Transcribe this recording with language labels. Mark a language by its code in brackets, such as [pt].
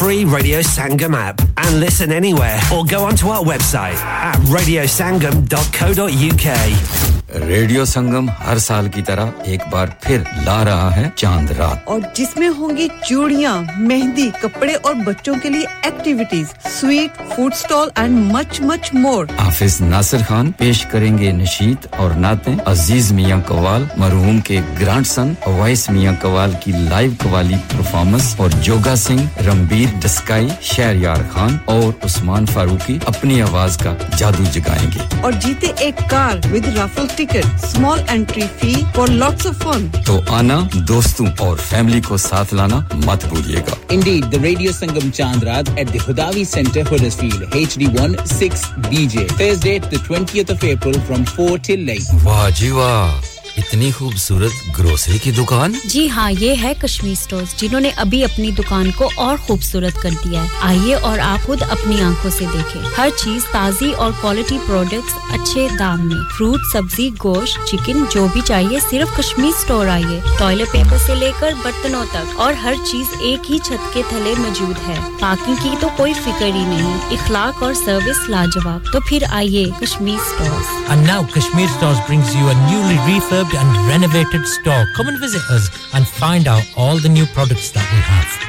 [en] Radio Sangam app and listen anywhere or go onto our website at radiosangam.co.uk. [hi] Radio संगम हर साल की तरह एक बार फिर ला रहा है चांद रात और जिसमें होंगी चूड़ियां मेहंदी कपड़े और बच्चों के लिए activities sweet food stall [en] and much much more [hi] हाफिज नासिर खान पेश करेंगे नशीद और नाते अजीज मियां कव्वाल मरहूम के ग्रैंडसन वाइस मियां कव्वाल की लाइव कव्वाली परफॉर्मेंस और जोगा सिंह रणबीर डस्काई शहरयार खान और उस्मान फारूकी अपनी आवाज का जादू जगाएंगे और जीते एक car [en] With raffle ticket. Small entry fee for lots of fun. [hi] To aana, doston aur family ko saath lana mat bhuliyega. [en] Indeed, the Radio Sangam Chandrad at the Hudavi Centre, Huddersfield, HD1 6BJ. Thursday, the 20th of April from 4 till 8. [hi] Wah ji wah. इतनी खूबसूरत grocery की दुकान जी हां ये है Kashmir stores जिन्होंने अभी अपनी दुकान को और खूबसूरत कर दिया है आइए और आप खुद अपनी आंखों से देखें हर चीज ताजी और क्वालिटी प्रोडक्ट्स अच्छे दाम में फ्रूट सब्जी गोश्त चिकन जो भी चाहिए सिर्फ कश्मीर स्टोर आइए टॉयलेट पेपर से लेकर बर्तनों तक और हर चीज एक ही छत के तले मौजूद है पार्किंग की तो कोई फिक्र ही नहीं इखलाक और सर्विस लाजवाब तो फिर आइए Kashmir stores [en] And now Kashmir Stores brings you a newly refurbed and renovated store. Come and visit us and find out all the new products that we have.